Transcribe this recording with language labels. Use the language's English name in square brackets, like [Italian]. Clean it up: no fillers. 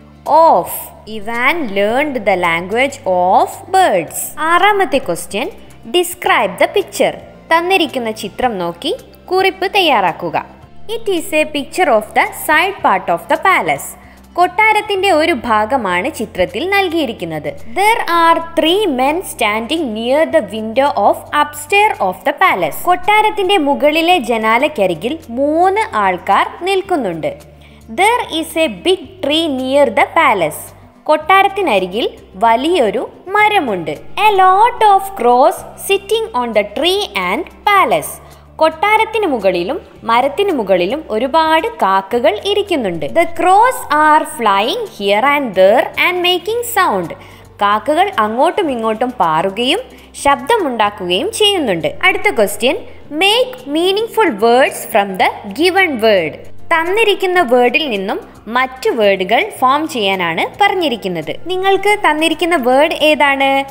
[English] Of. Evan learned the language of words. [Malayalam] ആറാമത്തെ question, [English] Describe the picture. [Malayalam] തന്നിരിക്കുന്ന ചിത്രം നോക്കി കുറിപ്പ് തയ്യാറാക്കുക. [English] It is a picture of the side part of the palace. [Malayalam] കൊട്ടാരത്തിന്റെ ഒരു ഭാഗമാണ് ചിത്രത്തിൽ നൽകിയിരിക്കുന്നത്. [English] There are three men standing near the window of upstairs of the palace. [Malayalam] കൊട്ടാരത്തിന്റെ മുകളിലെ ജനാലയ്ക്കരികിൽ മൂന്ന് ആൾക്കാർ നിൽക്കുന്നുണ്ട്. [English] There is a big tree near the palace. [Malayalam] കൊട്ടാരത്തിനരികിൽ വലിയൊരു മരമുണ്ട്. [English] A lot of crows sitting on the tree and palace. [Malayalam] കൊട്ടാരത്തിന് മുകളിലും മരത്തിന് മുകളിലും ഒരുപാട് കാക്കകൾ ഇരിക്കുന്നുണ്ട്. [English] The crows are flying here and there and making sound. [Malayalam] കാക്കകൾ അങ്ങോട്ടും ഇങ്ങോട്ടും പാറുകയും ശബ്ദമുണ്ടാക്കുകയും ചെയ്യുന്നുണ്ട്. അടുത്ത question, [English] Make meaningful words from the given word. [Malayalam] തന്നിരിക്കുന്ന വേർഡിൽ നിന്നും മറ്റ് വേർഡുകൾ ഫോം ചെയ്യാനാണ് പറഞ്ഞിരിക്കുന്നത്. നിങ്ങൾക്ക് തന്നിരിക്കുന്ന വേർഡ് ഏതാണ്?